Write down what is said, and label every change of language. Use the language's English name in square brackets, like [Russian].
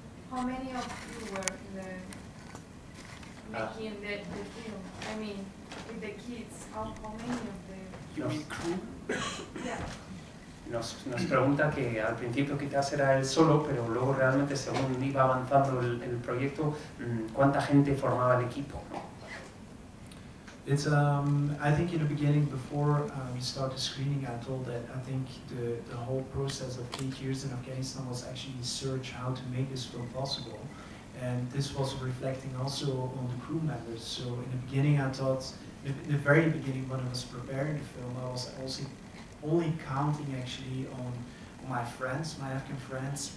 [English] How many of you were in the making the film? I mean, with the kids, how many of the crew? Yeah. [Spanish] Nos pregunta que al principio quizás era él solo, pero luego realmente según iba avanzando el proyecto, ¿cuánta gente formaba el equipo? [English] It's I think in the beginning, before we started the screening, I told that I think the whole process of 8 years in Afghanistan was actually a search how to make this film possible. And this was reflecting also on the crew members. So in the beginning, I thought, in the very beginning when I was preparing the film, I was also only counting actually on my friends, my Afghan friends.